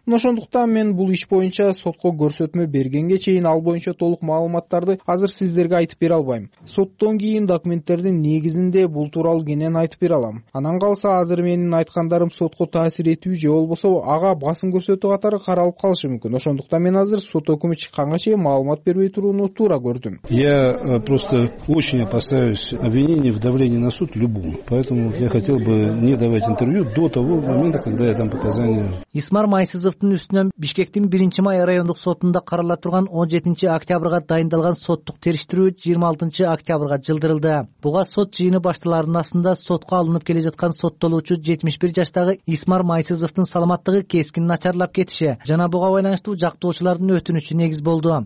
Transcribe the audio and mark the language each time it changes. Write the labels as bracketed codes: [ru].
[ky] Мына ошондуктан мен бул иш боюнча сотко көрсөтмө бергенге чейин ал боюнча толук маалыматтарды азыр сиздерге айтып бере албайм. Соттон кийин документтердин негизинде бул тууралуу кенен айтып бере алам. Анан калса азыр менин айткандарым сотко таасир этүү же болбосо ага басым көрсөтүү катары каралып калышы мүмкүн. Ошондуктан мен азыр сот өкүмү чыкканга чейин маалымат бербей турууну туура көрдүм. [ru] Я просто очень опасаюсь обвинений в давлении на суд любом. Поэтому я хотел бы не давать интервью до того момента, когда я дам показания. [ky] Исмар Майсызовдун үстүнөн Бишкектин 1-май райондук сотунда карала турган 17 октябрга дайындалган соттук териштирүү 26 октябрга жылдырылды. Буга сот жыйыны башталарынын астында сотко алынып келе жаткан соттолуучу 71 жаштагы Исмар Майсызов саламаттыгы кескин начарлап кетиши жана буга байланыштуу жактоочулардын өтүнүчү негиз болду.